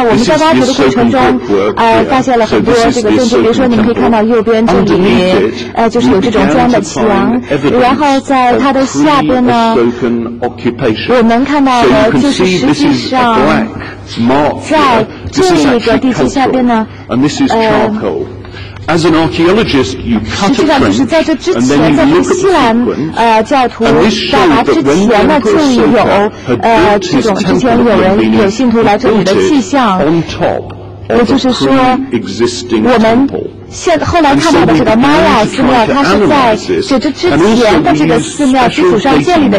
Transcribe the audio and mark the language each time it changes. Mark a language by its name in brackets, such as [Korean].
[Chinese] 我们在挖掘的过程中，发现了很多这个证据。比如说，你们可以看到右边这里，就是有这种砖的墙。然后在它的下边呢，我们看到的就是实际上在这一个地基下边呢， [English] As an archaeologist, you cut a print, and then you look at the sequence. [Chinese] 教徒到达之前呢，就有这种之前有人有信徒来这里的迹象。也就是说，我们后来看到的这个玛雅寺庙，它是在这之前的这个寺庙基础上建立的。